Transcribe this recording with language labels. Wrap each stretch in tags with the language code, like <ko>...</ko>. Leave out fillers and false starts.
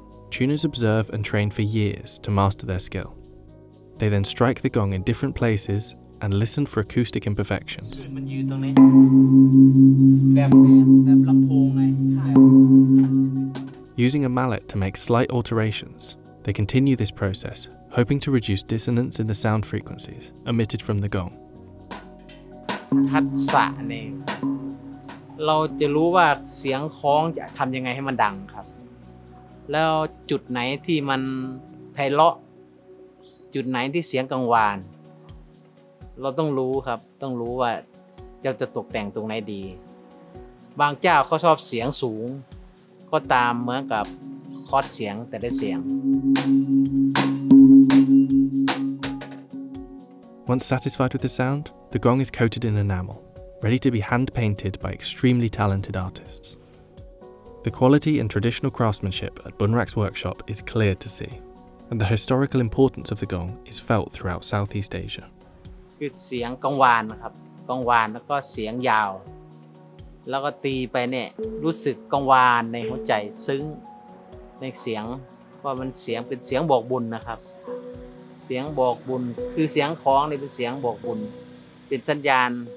<en>Tuners observe and train for years to master their skill. They then strike the gong in different places and listen for acoustic imperfections. Using a mallet to make slight alterations, they continue this process, hoping to reduce dissonance in the sound frequencies emitted from the gong.</en> <th>ทักษะนี่เราจะรู้ว่าเสียงคล้องจะทำยังไงให้มันดังครับแล้วจุดไหนที่มันไพเราะจุดไหนที่เสียงกังวานเราต้องรู้ครับต้องรู้ว่าจะตกแต่งตรงไหนดีบางเจ้าเขาชอบเสียงสูงก็ตามเหมือนกับคอร์ดเสียงแต่ได้เสียง</th> <en>Once satisfied with the soundThe gong is coated in enamel, ready to be hand-painted by extremely talented artists. The quality and traditional craftsmanship at Bunrak's workshop is clear to see, and the historical importance of the gong is felt throughout Southeast Asia.</en> <th>คือเสียงกังวานครับกังวานแล้วก็เสียงยาวแล้วก็ตีไปเนี่ยรู้สึกกังวานในหัวใจซึ้งในเสียงว่ามันเสียงเป็นเสียงบอกบุญนะครับเสียงบอกบุญคือเสียงคล้องนี่เป็นเสียงบอกบุญเป็นสัญญาณ</th>